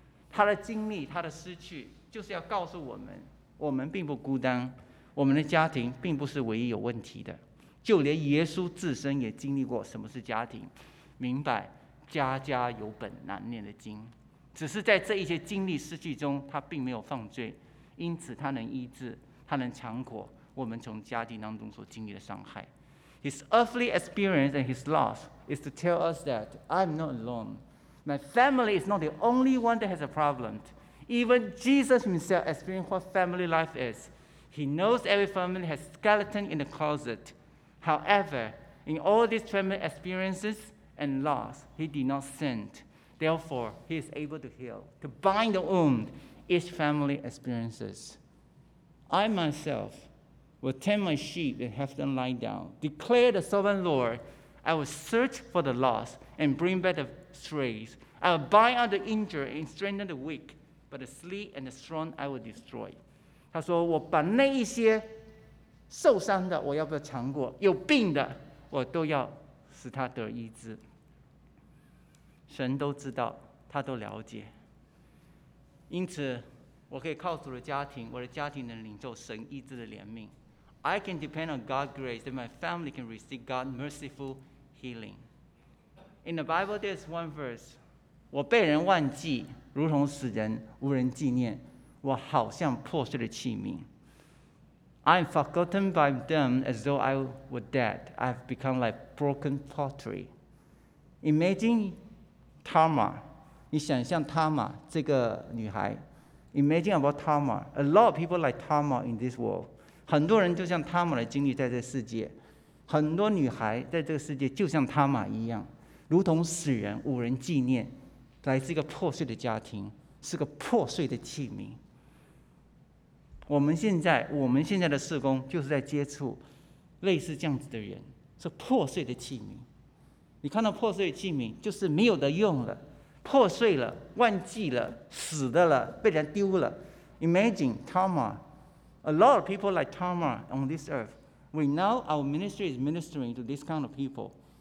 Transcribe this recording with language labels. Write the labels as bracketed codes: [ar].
[zh] 他的经历，他的失去，就是要告诉我们，我们并不孤单，我们的家庭并不是唯一有问题的，就连耶稣自身也经历过什么是家庭，明白家家有本难念的经，只是在这一些经历失去中，他并没有犯罪，因此他能医治，他能偿果我们从家庭当中所经历的伤害。 [en] His earthly experience and his loss is to tell us that I'm not alone. My family is not the only one that has a problem. Even Jesus himself experienced what family life is. He knows every family has skeleton in the closet. However, in all these family experiences and lost. He did not sin. Therefore, he is able to heal, to bind the wound each family experiences. I myself will tend my sheep and have them lie down. Declare the sovereign Lord, I will search for the lost and bring back the strays. I will bind up the injured and strengthen the weak, but the sleek and the strong I will destroy. [zh] 他说我把那一些受伤的我要不要尝过，有病的我都要使他得医治。神都知道，他都了解。因此我可以靠主的家庭，我的家庭能领受神医治的怜悯。 [en] I can depend on God's grace that my family can receive God's merciful healing. In the Bible, there's one verse. [zh] 我被人忘记，如同死人，无人纪念。我好像破碎的器皿。 [en] I'm forgotten by them as though I were dead. I've become like broken pottery. Imagine Tamar. [zh] 你想象 Tamar 这个女孩。 [en] Imagine about Tamar. A lot of people like Tamar in this world. [zh] 很多人就像他们的经历在这世界，很多女孩在这个世界就像他们一样，如同死人，无人纪念，来自一个破碎的家庭，是个破碎的器皿。我们现在的事工就是在接触类似这样子的人，是破碎的器皿。你看到破碎的器皿，就是没有的用了，破碎了，忘记了，死的了，被人丢了。 [en] Imagine Tama。 A lot of people like Tamar on this earth. We know our ministry is ministering to this kind of people.